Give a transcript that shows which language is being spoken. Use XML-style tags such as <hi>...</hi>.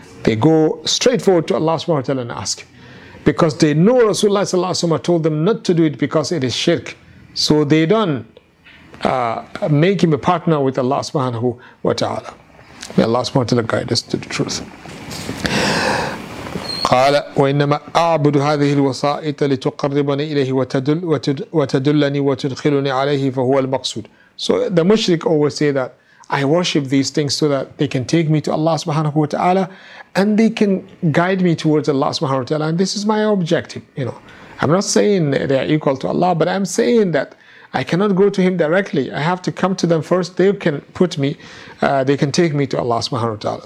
<en>They go straightforward to Allah subhanahu wa ta'ala and ask. Because they know Rasulullah sallallahu alayhi wa sallam told them not to do it because it is shirk. So they don't make him a partner with Allah subhanahu wa ta'ala. May Allah subhanahu wa ta'ala guide us to the truth.</en> <ar>قال وإنما أعبد هذه الوسائط لتقربني إليه وتدلني وتدخلني عليه فهو المقصود.</ar> <en>So the mushrik always say that I worship these things so that they can take me to Allah subhanahu wa ta'ala and they can guide me towards Allah subhanahu wa ta'ala, and this is my objective. You know, I'm not saying they are equal to Allah, but I'm saying that I cannot go to him directly. I have to come to them first. They can put me, they can take me to Allah subhanahu wa ta'ala.</en>